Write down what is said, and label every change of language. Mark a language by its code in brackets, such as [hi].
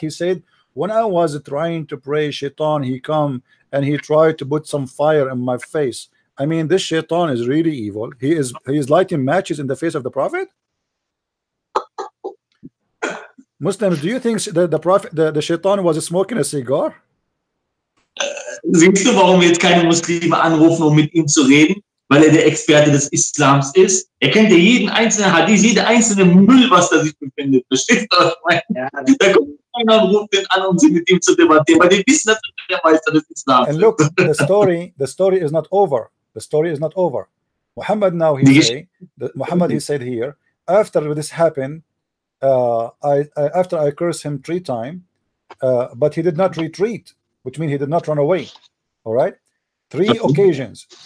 [en] He said, when I was trying to pray, shaitan, he come and he tried to put some fire in my face. I mean, this shaitan is really evil. He is lighting matches in the face of the prophet. Muslims, do you think that the prophet, the shaitan was smoking a cigar? [de] Siehst du, warum wir jetzt keine Muslime anrufen, um mit ihm zu reden? Weil er der Experte des Islams ist. Er kennt ja jeden einzelnen Hadith, jede einzelne Müll, was da sich befindet. Versteht ihr, was ich meine? Da kommt einer und ruft ihn an, um sich mit ihm zu debattieren. Weil die wissen, dass er der Meister des Islams ist. [en] And look, the story is not over. The story is not over. Muhammad now, he said here, after this happened, after I cursed him three times, but he did not retreat. Which means he did not run away, all right? Three occasions.